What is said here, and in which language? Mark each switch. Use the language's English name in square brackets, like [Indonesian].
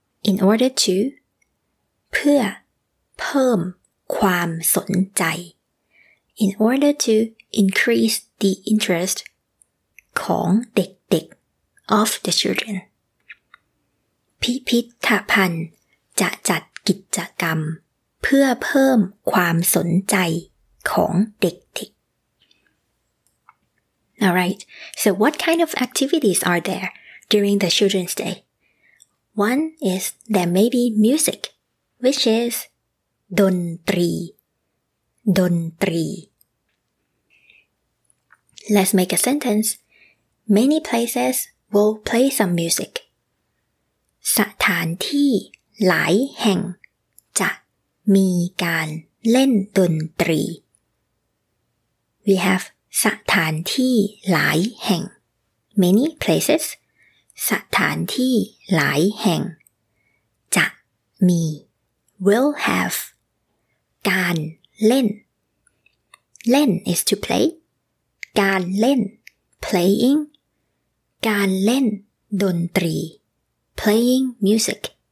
[English] in order to [Thai] เพื่อเพิ่มความสนใจ [English] in order to increase the interest [Thai] ของเด็กๆ [English] of the children [Thai] พิพิธภัณฑ์จะจัดกิจกรรม พื่อเพิ่มความสนใจของเด็กๆ [English] Alright, so what kind of activities are there during the Children's Day? One is there may be music, which is ดนตรี ดนตรี Let's make a sentence. Many places will play some music. [Thai] สถานที่หลายแห่งจะมีการเล่นดนตรี [English] We have [Thai] สถานที่หลายแห่ง [English] Many places [Thai] สถานที่หลายแห่งจะมี [English] Will have [Thai] การเล่น [English] Learn is to play การเล่น playing [Thai] การเล่นดนตรี [English] playing music